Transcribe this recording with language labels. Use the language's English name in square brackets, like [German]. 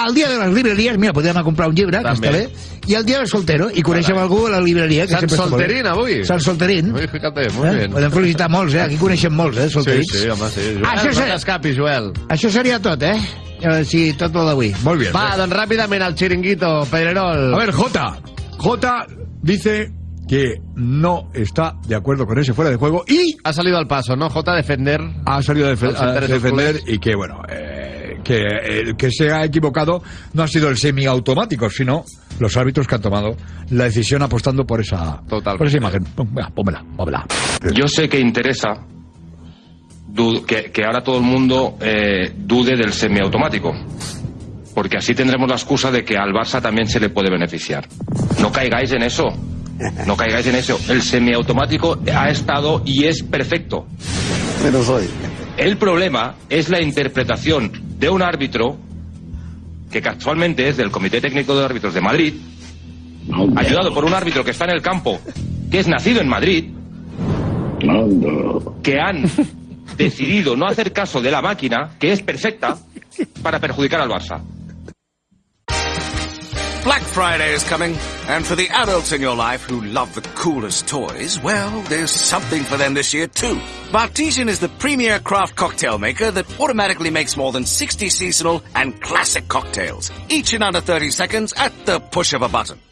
[Catalan] El dia de les llibreries, mira, podíem anar a comprar un llibre, també, que està bé. I el dia del soltero, i coneixem algú a la llibreria. Que Sant Solterín, avui. Sant Solterín. Ui, fíjate, molt bé. Podem felicitar molts, eh? Aquí coneixem molts, eh, solterins. Sí, sí, home, sí. Això no t'escapis, Joel. Això seria tot, eh? Sí, tot el d'avui. Molt bé. Va, doncs ràpidament al xiringuito, Pedrerol. [Spanish] A ver, Jota. Jota dice que no está de acuerdo con ese fuera de juego y... Ha salido al paso, ¿no? Jota, defender. Ha salido a defender y que, bueno, que el que se ha equivocado no ha sido el semiautomático, sino los árbitros que han tomado la decisión apostando por esa... Total. Por esa imagen. Venga, pónmela. Yo sé que interesa... Que ahora todo el mundo dude del semiautomático, porque así tendremos la excusa de que al Barça también se le puede beneficiar. No caigáis en eso. El semiautomático ha estado y es perfecto. Menos hoy. El problema es la interpretación de un árbitro que casualmente es del Comité Técnico de Árbitros de Madrid, ayudado por un árbitro que está en el campo, que es nacido en Madrid, que han decidido no hacer caso de la máquina, que es perfecta para perjudicar al Barça. [English] Black Friday is coming, and for the adults in your life who love the coolest toys, well, there's something for them this year too. Bartesian is the premier craft cocktail maker that automatically makes more than 60 seasonal and classic cocktails, each in under 30 seconds at the push of a button.